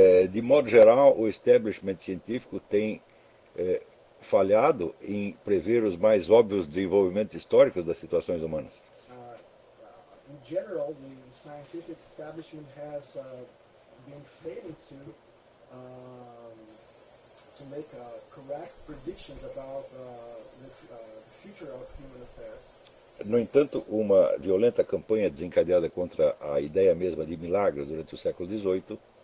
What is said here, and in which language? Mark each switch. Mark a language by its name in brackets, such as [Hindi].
[Portuguese] De modo geral, o establishment científico tem falhado em prever os mais óbvios desenvolvimentos históricos das situações humanas. [English] In general, the scientific establishment has been failing to make correct predictions about the future of human affairs. [Portuguese] No entanto, uma violenta campanha desencadeada contra a ideia mesma de milagres durante o século XVIII.